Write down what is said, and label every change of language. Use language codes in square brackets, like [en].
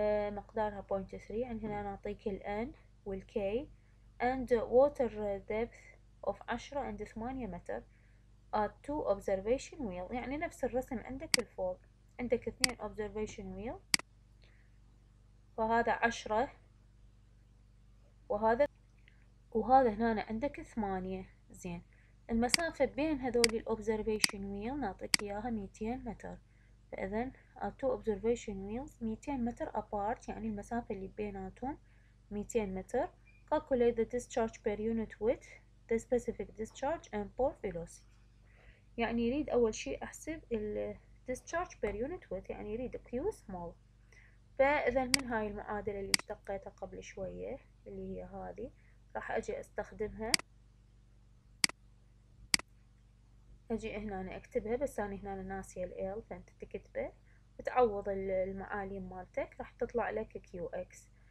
[ar] مقدارها 0.3، يعني هنا نعطيك ال N وال K [en] and water depth of 10 and 8 [ar] متر at 2 observation wheel، يعني نفس الرسم عندك الفوق، عندك 2 observation wheel وهذا 10 وهذا هنا عندك 8. زين، المسافة بين هذول ال observation wheel نعطيك إياها 200 متر، فإذن [en] two observation wheels [ar] 200 متر apart، يعني المسافة اللي بيناتهم 200 متر. [en] calculate the discharge per unit width the specific discharge and pore velocity، [ar] يعني يريد أول شيء أحسب ال [en] discharge per unit width، [ar] يعني يريد [en] q small. [ar] فإذن من هاي المعادلة اللي اشتقيتها قبل شوية اللي هي هذه راح أجي أستخدمها، أجي هنا أنا أكتبها، بس أنا هنا ناسية ال L فأنت تكتبه وتعوض المعاليم مالتك راح تطلع لك كيو اكس.